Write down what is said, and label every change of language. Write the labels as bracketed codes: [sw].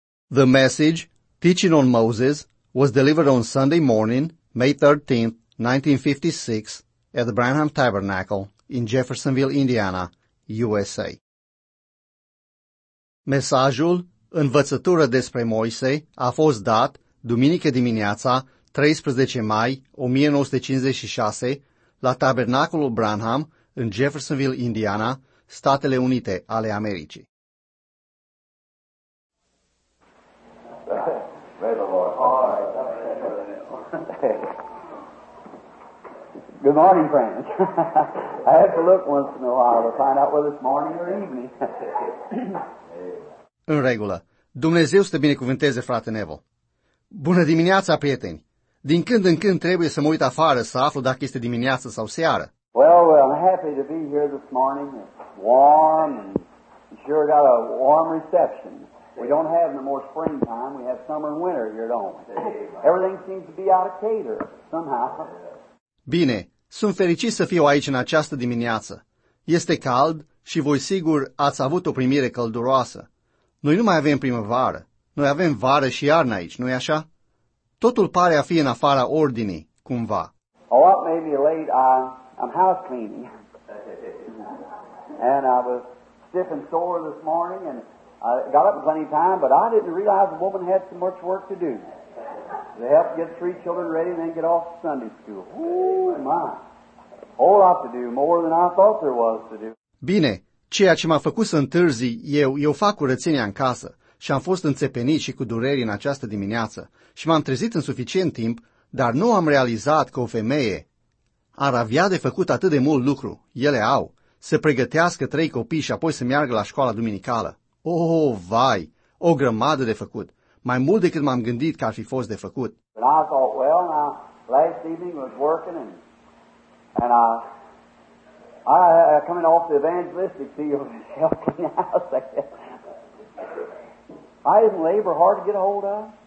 [en] The message, Teaching on Moses, was delivered on Sunday morning, May 13, 1956, at the Branham Tabernacle in Jeffersonville, Indiana, USA. [ro] Mesajul, Învățătură despre Moise, a fost dat duminică dimineața, 13 mai 1956, la Tabernacolul Branham în Jeffersonville, Indiana, Statele Unite ale Americii. [en] Good morning, friends. I have to look once in a while to find out whether it's morning or evening. [ro] În regulă. Dumnezeu să te binecuvânteze, frate Nevo. Bună dimineața, prieteni. Din când în când trebuie să mă uit afară să aflu dacă este dimineață sau seară. [en] Well, I'm happy to be here this morning. It's warm and sure got a warm reception. We don't have no more springtime. We have summer and winter here, don't we? Everything seems to be out of cater somehow. [ro] Bine, sunt fericit să fiu aici în această dimineață. Este cald și voi sigur ați avut o primire călduroasă. Noi nu mai avem primăvară. Noi avem vară și iarnă aici, nu-i așa? Totul pare a fi în afara ordinii, cumva. [en] Oh, it may be late. I'm house cleaning. And I was stiff and sore this morning and I got up plenty of time, but I didn't realize the woman had so much work to do. They helped get three children ready and then get off to Sunday school. Ooh, my. Whole lot to do, more than I thought there was to do. [ro] Bine, ceea ce m-a făcut să întârzi, eu fac curățenia în casă și am fost înțepenit și cu dureri în această dimineață și m-am trezit în suficient timp, dar nu am realizat că o femeie ar avea de făcut atât de mult lucru, ele au, să pregătească trei copii și apoi să meargă la școala duminicală. Oh, vai, o grămadă de făcut. Mai mult decât m-am gândit că ar fi fost de făcut. [en] And I thought, well, now, last evening was working and I coming off the evangelistic field and helping out there. I didn't labor hard to get a hold of.